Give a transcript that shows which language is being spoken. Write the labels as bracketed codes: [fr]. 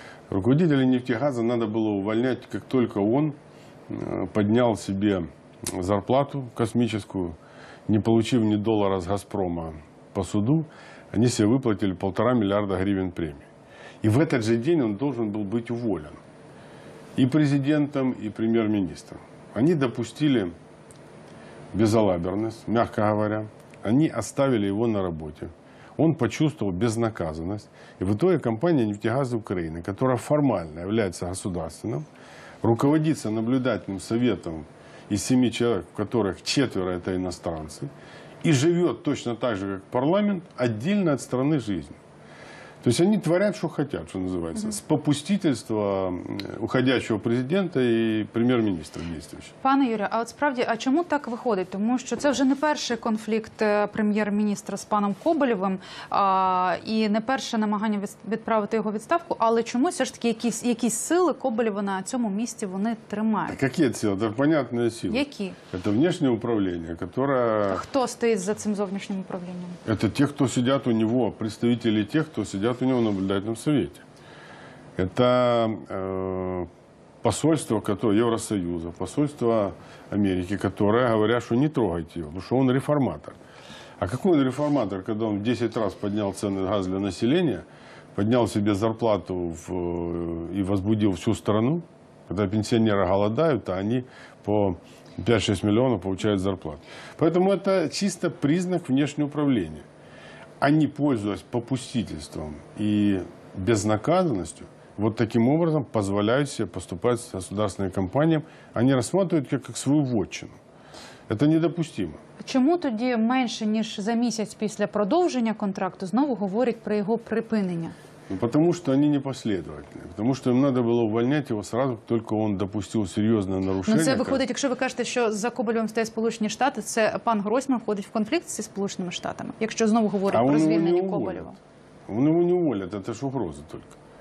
[uk] Руководителя «Нефтегаза» треба було звільняти, як тільки він підняв собі зарплату [ru] космическую, не получив [uk] ні долара з «Газпрома» по суду, вони себе виплатили 1,5 мільярда гривень премії. І в цей же день він повинен був бути уволен і президентом, і прем'єр-міністром. Вони допустили безалаберність, м'яко говоря, [ru] Они оставили его на работе. Он почувствовал безнаказанность. И в итоге компания «Нефтегаз Украины», которая формально является государственным, руководится наблюдательным советом из 7 человек, в которых 4 это иностранцы, и живет точно так же, как парламент, отдельно от страны жизни. То есть они творят, что хотят, что называется, с попустительства уходящего президента и премьер-министра действующего. [uk] Пане Юрію, а от справді, а чому так виходить? Тому що це вже не перший конфлікт прем'єр-міністра з паном Коболєвим, і не перше намагання відправити його відставку, але чомусь все ж таки якісь сили Коболєва на цьому місці вони тримають. Так які сили? Це понятні сили. Які? Це внутрішнє управління, яке... Хто стоїть за цим зовнішнім управлінням? Це ті, хто сидять у нього, представники тих, хто сидять. [ru] Сидят у него в наблюдательном совете. Это посольство Евросоюза, посольство Америки, которое говорят, что не трогайте его, потому что он реформатор. А какой он реформатор, когда он в 10 раз поднял цены на газ для населения, поднял себе зарплату и возбудил всю страну, когда пенсионеры голодают, а они по 5-6 миллионов получают зарплату. Поэтому это чисто признак внешнего управления. Они, пользуясь попустительством и безнаказанностью, вот таким образом позволяют себе поступать с государственными компаниями. Они рассматривают как свою вотчину. Это недопустимо. [uk] Чому тоді менше, ніж за місяць після продовження контракту, знову говорять про його припинення? [ru] Ну, потому что они непоследовательны. Потому что им надо было увольнять его сразу, только он допустил серьезное нарушение. Но это выходит, если вы говорите, что за Коболевым стоят Соединенные Штаты, это пан Гройсман входит в конфликт с Соединенными Штатами, если снова говорить про звільнення Коболева. Он его не уволят, это же угроза только.